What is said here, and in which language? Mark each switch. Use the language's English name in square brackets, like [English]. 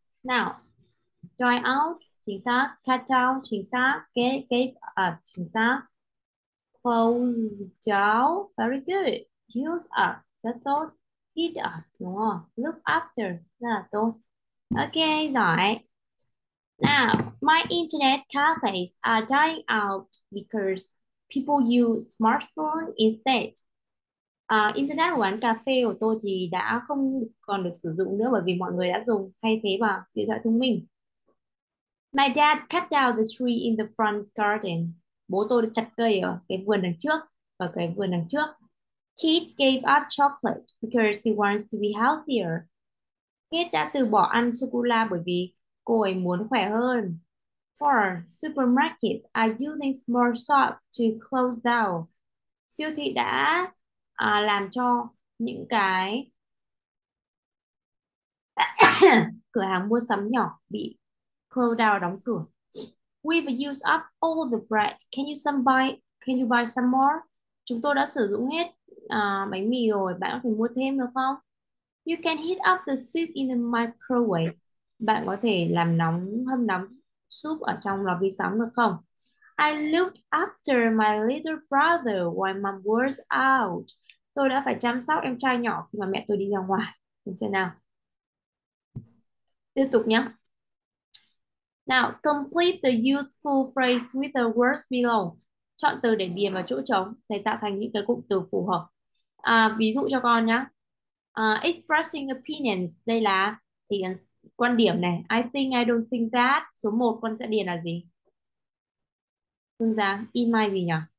[Vietnamese] Nào, try out chính xác, cut out chính xác, cái up chính xác, close down [English] very good, [Vietnamese] use up rất tốt, hit up đúng không, look after rất là tốt. Ok, giỏi. [English] Now, my internet cafes are dying out because people use smartphone instead. [Vietnamese] Internet quán cà phê của tôi thì đã không còn được sử dụng nữa bởi vì mọi người đã dùng thay thế vào điện thoại thông minh. [English] My dad cut down the tree in the front garden. [Vietnamese] Bố tôi đã chặt cây ở cái vườn đằng trước và cái vườn đằng trước. [English] Kate gave up chocolate because she wants to be healthier. [Vietnamese] Kate đã từ bỏ ăn sô cô la bởi vì cô ấy muốn khỏe hơn. [English] Four supermarkets are using small shops to close down. [Vietnamese] Siêu thị đã làm cho những cái cửa hàng mua sắm nhỏ bị close down đóng cửa. [English] We've used up all the bread. Can you buy some more? [Vietnamese] Chúng tôi đã sử dụng hết bánh mì rồi, bạn có thể mua thêm được không? [English] You can heat up the soup in the microwave. [Vietnamese] Bạn có thể làm nóng hâm nóng súp ở trong lò vi sóng được không? [English] I looked after my little brother while mom was out. [Vietnamese] Tôi đã phải chăm sóc em trai nhỏ khi mà mẹ tôi đi ra ngoài. Được chưa nào? Tiếp tục nhé. [English] Now, complete the useful phrase with the words below. [Vietnamese] Chọn từ để điền vào chỗ trống để tạo thành những cái cụm từ phù hợp. À, ví dụ cho con nhé. [English] Expressing opinions, [Vietnamese] đây là thì quan điểm này. [English] I think, I don't think that. [Vietnamese] Số 1 con sẽ điền là gì? Phương Giang, in my gì nhỉ?